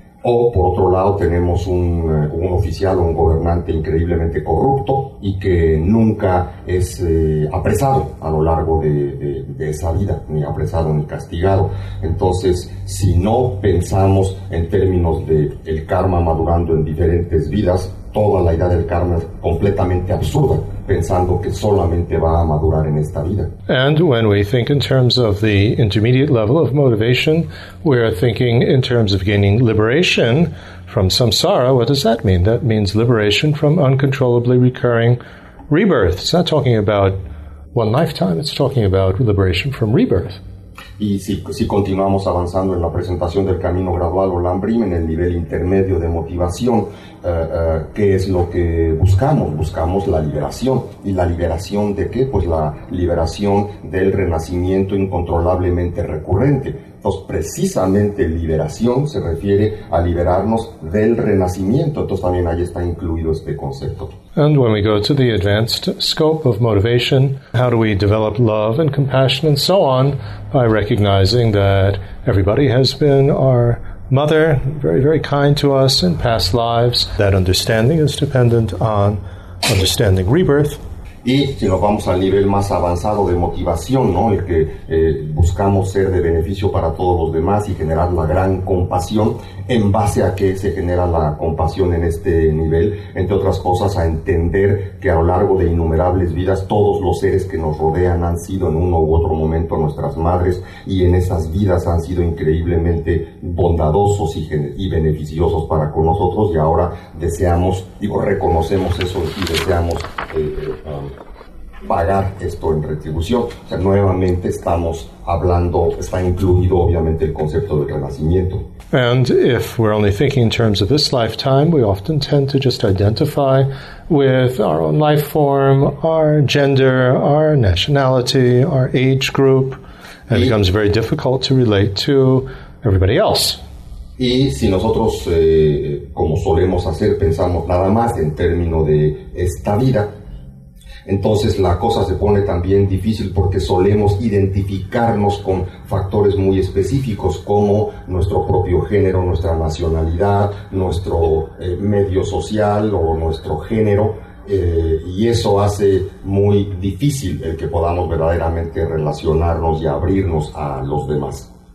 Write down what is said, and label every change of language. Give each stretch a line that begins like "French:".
Spanish: O, por otro lado, tenemos un oficial o un gobernante increíblemente corrupto y que nunca es apresado a lo largo de esa vida, ni apresado ni castigado. Entonces, si no pensamos en términos de el karma madurando en diferentes vidas, toda la idea del karma es completamente absurda, pensando que solamente va a madurar en esta vida.
English: And when we think in terms of the intermediate level of motivation, we are thinking in terms of gaining liberation from samsara. What does that mean? That means liberation from uncontrollably recurring rebirth. It's not talking about one lifetime. It's talking about liberation from rebirth.
Spanish: Y si continuamos avanzando en la presentación del camino gradual o lambrim, en el nivel intermedio de motivación, ¿qué es lo que buscamos? Buscamos la liberación. ¿Y la liberación de qué? Pues la liberación del renacimiento incontrolablemente recurrente. Entonces, precisamente liberación se refiere a liberarnos del renacimiento. Entonces, también ahí está incluido este concepto.
English: And when we go to the advanced scope of motivation, how do we develop love and compassion and so on, by recognizing that everybody has been our mother, very, very kind to us in past lives. That understanding is dependent on understanding rebirth.
Spanish: Y si nos vamos al nivel más avanzado de motivación, ¿no? El que buscamos ser de beneficio para todos los demás y generar la gran compasión, en base a qué se genera la compasión en este nivel, entre otras cosas, a entender que a lo largo de innumerables vidas todos los seres que nos rodean han sido en uno u otro momento nuestras madres, y en esas vidas han sido increíblemente bondadosos y beneficiosos para con nosotros, y ahora deseamos, digo, reconocemos eso y deseamos pagar esto en retribución. O sea, nuevamente estamos hablando, está incluido obviamente el concepto del renacimiento.
English: And if we're only thinking in terms of this lifetime, we often tend to just identify with our own life form, our gender, our nationality, our age group, and it becomes very difficult to relate to everybody else.
Spanish: Y si nosotros, como solemos hacer, pensamos nada más en términos de esta vida, entonces la cosa se pone también difícil porque solemos identificarnos con factores muy específicos como nuestro propio género, nuestra nacionalidad, nuestro medio social o nuestro género, y eso hace muy difícil el que podamos verdaderamente relacionarnos y abrirnos a los demás.